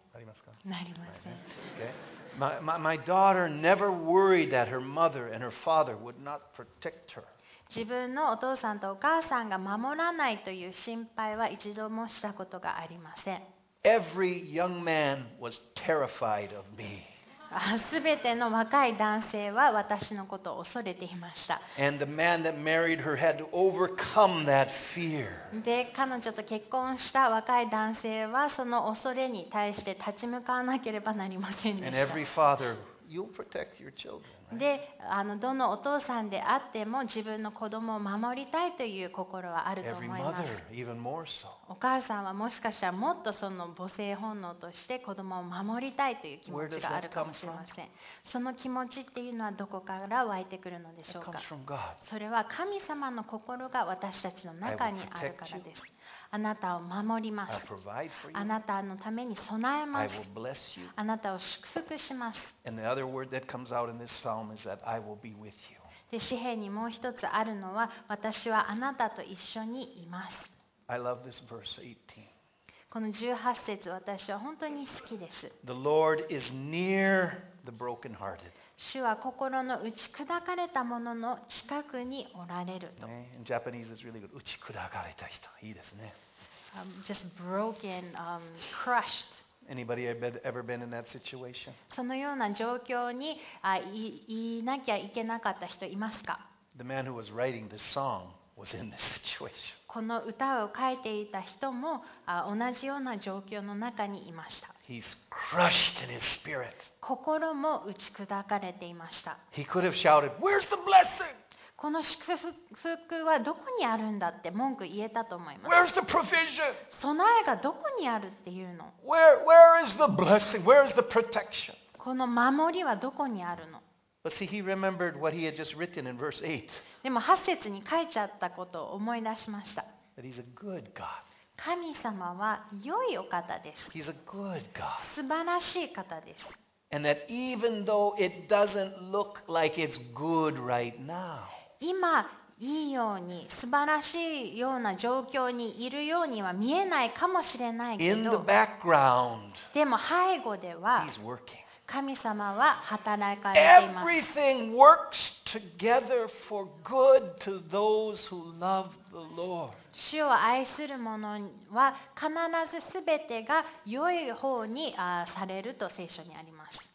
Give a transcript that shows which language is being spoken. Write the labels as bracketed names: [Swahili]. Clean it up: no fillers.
[Japanese] ありますか？なりません。 [English] My daughter never worried that her mother and her father would not protect her. [Japanese] 自分のお父さんとお母さんが守らないという心配は一度もしたことがありません。 [English] Every young man was terrified of me. [Japanese] すべての若い男性は私のことを恐れていました。 [English] And the man that married her had to overcome that fear. [Japanese] で、彼女と結婚した若い男性はその恐れに対して立ち向かわなければなりませんでした。 [English] And every father, you'll protect your children, right? [Japanese] で、どのお父さんであっても自分の子供を守りたいという心はあると思います。 [English] Every mother, even more so. [Japanese] お母さんはもしかしたらもっとその母性本能として子供を守りたいという気持ちがあるかもしれません。その気持ちっていうのはどこから湧いてくるのでしょうか。 [English] That comes from God. [Japanese] それは神様の心が私たちの中にあるからです。あなたを守ります。 [English] I'll provide for you. [Japanese] あなたのために備えます。 [English] I will bless you. [Japanese] あなたを祝福します。 [English] And the other word that comes out in this psalm is that I will be with you. [Japanese] で、詩編にもう一つあるのは、私はあなたと一緒にいます。 [English] I love this verse 18. [Japanese] この18節、私は本当に好きです。 [English] The Lord is near the brokenhearted. [Japanese] 主は心の打ち砕かれた者の近くにおられると。 [English] ね、in Japanese is really good. [Japanese] 打ち砕かれた人、いいですね。 [English] Just broken, crushed. Anybody ever been in that situation? [Japanese] そのような状況に いなきゃいけなかった人いますか? [English] The man who was writing this song was in this situation. [Japanese] この歌を書いていた人も同じような状況の中にいました。 [English] He's crushed in his spirit. [Japanese] 心も打ち砕かれていました。 [English] He could have shouted, "Where's the blessing?" [Japanese] この祝福はどこにあるんだって文句言えたと思います。 [English] Where's the provision? [Japanese] 備えがどこにあるっていうの [English] ？Where is the blessing? Where is the protection? [Japanese] この守りはどこにあるの [English] ？But see, he remembered what he had just written in verse 8. [Japanese] でも8節に書いちゃったことを思い出しました。 [English] But he's a good God. [Japanese] 神様は良いお方です。 [English] He's a good God. [Japanese] 素晴らしい方です。 [English] And that even though it doesn't look like it's good right now, [Japanese] 今いいように素晴らしいような状況にいるようには見えないかもしれないけど、 [English] In the background, [Japanese] でも背後では [English] He's working. [Japanese] 神様は働かれています。 [English] Everything works together for good to those who love the Lord. [Japanese] 主を愛する者は必ず全てが良い方にされると聖書にあります。